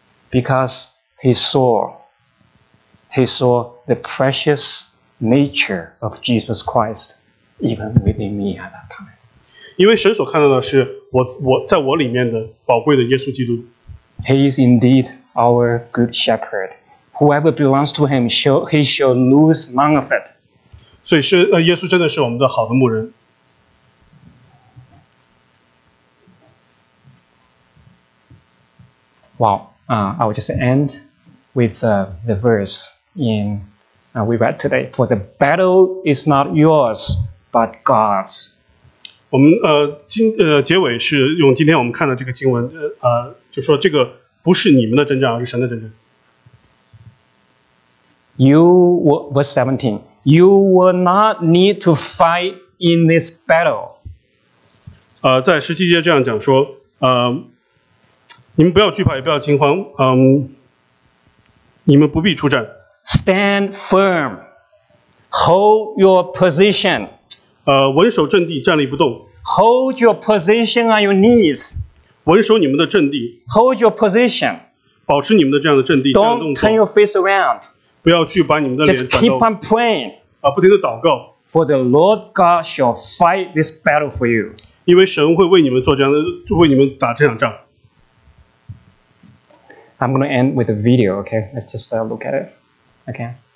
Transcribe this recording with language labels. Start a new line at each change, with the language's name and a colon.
English: Because he saw the precious nature of Jesus Christ even within me at that time.
Chinese: 因为神所看到的是我在我里面的宝贵的耶稣基督。
English: He is indeed our good shepherd. Whoever belongs to him, he shall lose none of it.
Chinese: 所以耶稣真的是我们的好的牧人。
English: Well, I will just end with the verse we read today. For the battle is not yours, but God's.
Chinese: 我们结尾是用今天我们看的这个经文就说这个不是你们的征战，而是神的征战。
English: Verse 17, you will not need to fight in this battle.
Chinese: 在十七节这样讲说，你们不要惧怕，也不要惊慌，你们不必出战。
English: Stand firm, Hold your position.
Chinese: 稳守阵地，站立不动。
English: Hold your position on your knees.
Chinese: 稳守你们的阵地。
English: Hold your position.
Chinese: 保持你们的这样的阵地，这样的动作。
English: Don't turn your face around.
Chinese: 不要去把你们的脸转动。
English: Just keep on praying.
Chinese: 不停地祷告。
English: For the Lord God shall fight this battle for you.
Chinese: 因为神会为你们做这样的，为你们打这场仗。
English: I'm going to end with a video, okay? Let's just look at it, okay?